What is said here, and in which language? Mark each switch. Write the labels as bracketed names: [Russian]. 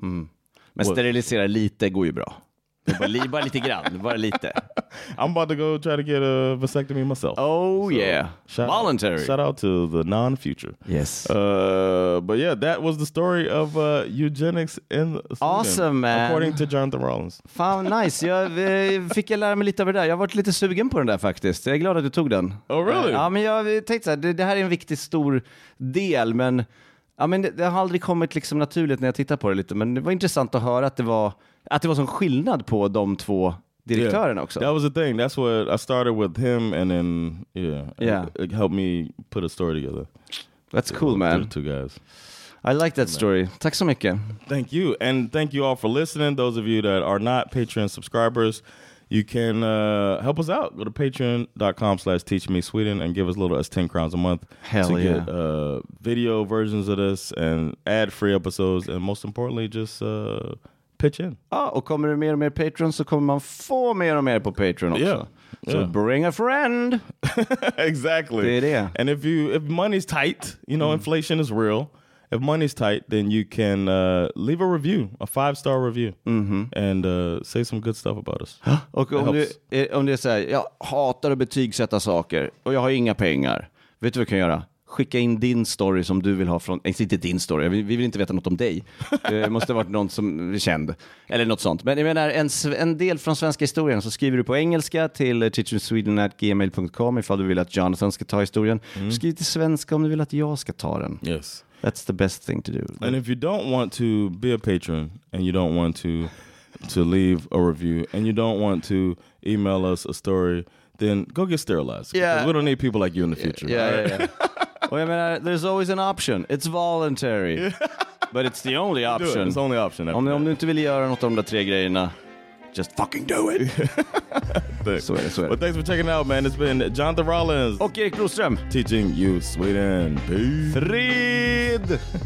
[Swedish] Mm. Men sterilisera lite går ju bra. Bara lite grann, bara lite. [English] I'm about to go try to get a vasectomy myself. Oh, so yeah. Shout out to the non-future. Yes. But yeah, that was the story of eugenics in Sweden. Awesome, man. According to Jonathan Rollins. [Swedish] Fan, nice. Jag fick lära mig lite av det där. Jag har varit lite sugen på den där faktiskt. Jag är glad att du tog den. [English] Oh, really? [Swedish] Ja, men jag tänkte så här, det här är en viktig stor del, men det har aldrig kommit liksom naturligt när jag tittar på det lite, men det var intressant att höra att det var... Att det var sån skillnad på de två direktörerna också. [English] That was the thing. That's what I started with him and then, it helped me put a story together. That's cool, man. Two guys. I like that story. [Swedish] Tack så mycket. [English] Thank you. And thank you all for listening. Those of you that are not Patreon subscribers, you can help us out. Go to patreon.com/teachmesweden and give us a little as 10 crowns a month. Hell to yeah. Get video versions of this and ad-free episodes. And most importantly, just pitch in. [Swedish] Ah, och kommer det mer och mer Patreon så kommer man få mer och mer på Patreon också. [English] Yeah. So yeah. Bring a friend. Exactly. [Swedish] Det är det. [English] And if money's tight, you know, inflation is real. If money's tight, then you can leave a review, a 5-star review, and say some good stuff about us. [Swedish] Och om du säger, jag hatar att betygsätta saker och jag har inga pengar. Vet du vad du kan göra? Skicka in din story som du vill ha från, inte din story, vi vill inte veta något om dig. Det måste ha varit någon som är känd, eller något sånt. Men jag menar, en del från svenska historien så skriver du på engelska till teachmesweden@gmail.com ifall du vill att Jonathan ska ta historien. Skriv till svenska om du vill att jag ska ta den. [English] Yes. That's the best thing to do. And if you don't want to be a patron and you don't want to leave a review and you don't want to email us a story, then go get sterilized. Yeah. We don't need people like you in the future. Yeah, right? Yeah, yeah. Well, I mean, there's always an option. It's voluntary. Yeah. But it's the only option. It's the only option. [Swedish] Om du inte vill göra något av de där tre grejerna, [English] just fucking do it. Thanks. But thanks for checking out, man. It's been Jonathan Rollins. [Swedish] Och Erik Broström. [English] Teaching you Sweden. Peace. [Swedish] Fred.